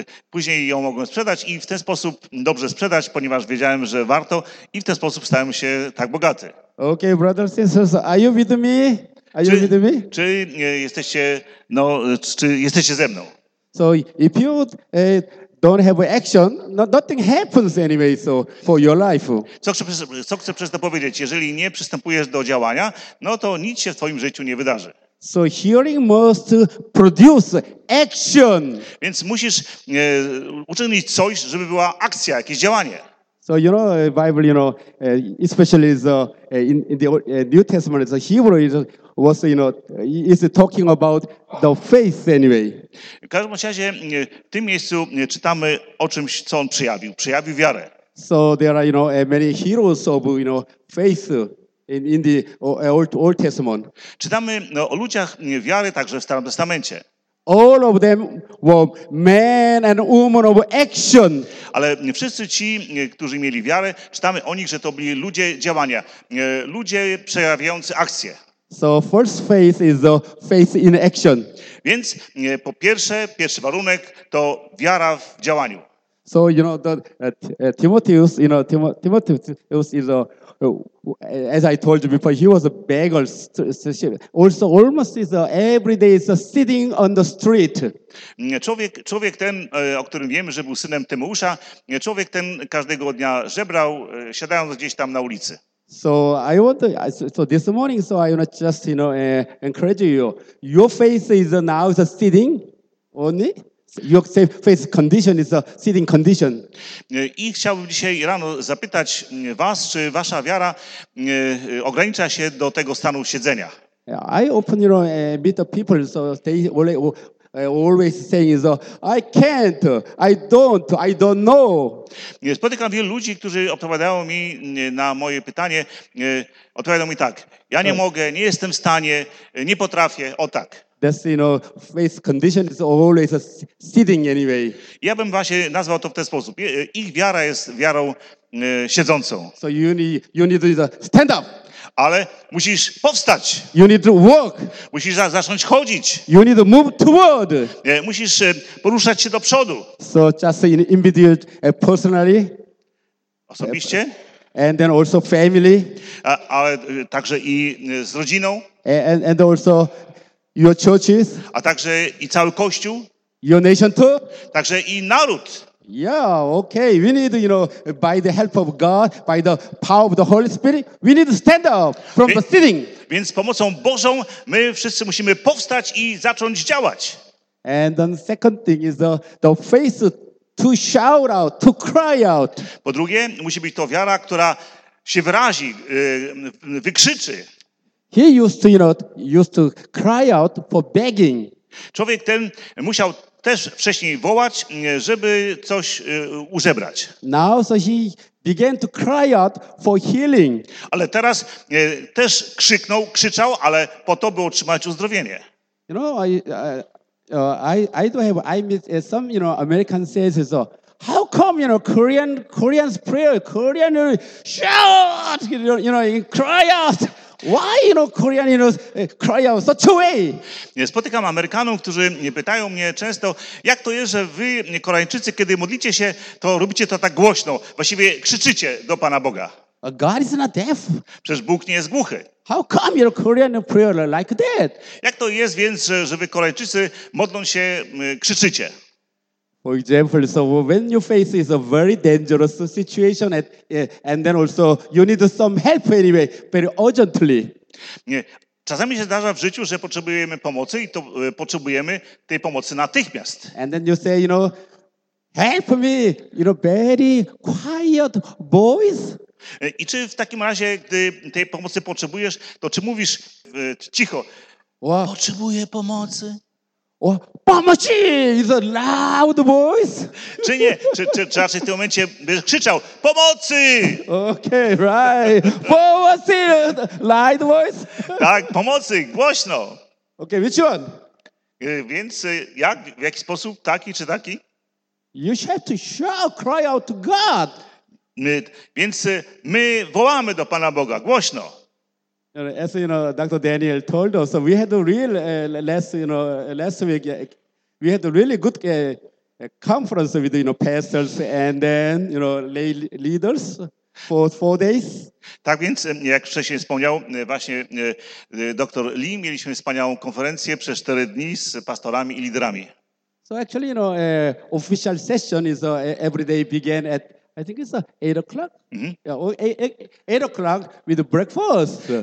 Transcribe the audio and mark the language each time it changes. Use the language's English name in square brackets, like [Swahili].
[Polish] Później ją mogłem sprzedać i w ten sposób dobrze sprzedać, ponieważ wiedziałem, że warto i w ten sposób stałem się tak bogaty. [English] Okay, brothers and sisters, are you with me? [Polish] Czy jesteście, no, czy jesteście ze mną? [English] So if you don't have action, nothing happens anyway so for your life. [Polish] Co chcę przez to powiedzieć? Jeżeli nie przystępujesz do działania, no to nic się w twoim życiu nie wydarzy. [English] So hearing must produce action. [Polish] Więc musisz uczynić coś, żeby była akcja, jakieś działanie. [English] So you know, Bible, you know, especially the, in the New Testament, the Hebrew is was you know is talking about the faith anyway. [Polish] W każdym razie w tym miejscu czytamy o czymś, co on przejawił wiarę. [English] So there are you know many heroes of you know faith in the Old Testament. [Polish] Czytamy no, o ludziach wiary także w Starym Testamencie. [English] All of them were men and women of action. [Polish] Ale wszyscy ci, którzy mieli wiarę, czytamy o nich, że to byli ludzie działania, ludzie przejawiający akcję. [English] So first faith is the faith in action. [Polish] Więc po pierwsze, pierwszy warunek to wiara w działaniu. [English] So you know that Timotheus, you know Timotheus is a as I told you before, he was a beggar. Also almost is every day is sitting on the street. [Polish] Człowiek ten, o którym wiemy, że był synem Tymeusza, człowiek ten każdego dnia żebrał, siadając gdzieś tam na ulicy. [English] So I want to, so this morning, so I want to just, you know, encourage you. Your face is now sitting only. Your face condition is a sitting condition. [Polish] I chciałbym dzisiaj rano zapytać was, czy wasza wiara ogranicza się do tego stanu siedzenia. [English] I open, you know, a bit of people, so they always saying is, I can't, I don't know. [Polish] Spotykam wielu ludzi, którzy odpowiadają mi na moje pytanie, odpowiadają mi tak, ja nie mogę, nie jestem w stanie, nie potrafię, o tak. [English] That's, you know, face condition is always sitting anyway. [Polish] Ja bym właśnie nazwał to w ten sposób. Ich wiara jest wiarą siedzącą. [English] So you need to stand up. [Polish] Ale musisz powstać. [English] You need to walk. [Polish] Musisz zacząć chodzić. [English] You need to move toward. [Polish] Musisz poruszać się do przodu. [English] So just in individual, personally. [Polish] Osobiście. [English] And then also family. [Polish] Ale także i z rodziną. [English] And also your churches. [Polish] A także i cały kościół. [English] Your nation too. [Polish] Także i naród. [English] Yeah, okay. We need, you know, by the help of God, by the power of the Holy Spirit, we need to stand up from the sitting. [Polish] Więc z pomocą Bożą my wszyscy musimy powstać i zacząć działać. [English] And then the second thing is the faith to shout out, to cry out. [Polish] Po drugie, musi być to wiara, która się wyrazi, wykrzyczy. [English] He used to, you know, used to cry out for begging. [Polish] Człowiek ten musiał też wcześniej wołać, żeby coś użebrać. [English] Now, so he began to cry out for healing. [Polish] Ale teraz też krzyczał, ale po to, by otrzymać uzdrowienie. [English] You know, I don't have, I miss some, you know, American says so. How come, you know, Koreans pray, Korean shout, you know, cry out. Why, you know, Korean, you know, cry out such a way? [Polish] Spotykam Amerykanów, którzy pytają mnie często, jak to jest, że wy, Koreańczycy, kiedy modlicie się, to robicie to tak głośno, właściwie krzyczycie do Pana Boga. [English] God is not deaf. [Polish] Przecież Bóg nie jest głuchy. [English] How come your Korean prayer like that? [Polish] Jak to jest więc, że wy, Koreańczycy, modląc się, krzyczycie? [English] For example, so when you face is a very dangerous situation and then also you need some help anyway, very urgently. [Polish] Nie. Czasami się zdarza w życiu, że potrzebujemy pomocy i to potrzebujemy tej pomocy natychmiast. [English] And then you say, you know, help me, you know, very quiet voice. [Polish] I czy w takim razie, gdy tej pomocy potrzebujesz, to czy mówisz cicho, [English] what? [Polish] Potrzebuję pomocy? O, pomocy! [English] It's a loud voice. [Polish] Czy nie? Czy raczej w tym momencie byś krzyczał, pomocy! [English] Okay, right. [Polish] Pomocy! [English] Loud voice. [Polish] Tak, pomocy, głośno. [English] Okay, which one? [Polish] Więc jak, w jaki sposób, taki czy taki? [English] You have to shout, cry out to God. [Polish] Więc my wołamy do Pana Boga, głośno. [English] As you know, Dr. Daniel told us, so we had a real last week. We had a really good conference with, you know, pastors and then, you know, lay leaders for 4 days. [Polish] Tak więc, jak wcześniej wspomniał właśnie dr Lee, mieliśmy wspaniałą konferencję przez 4 dni z pastorami i liderami. [English] So actually, you know, official session is every day began at, I think it's 8 o'clock. Mm-hmm. Yeah, 8 o'clock with breakfast.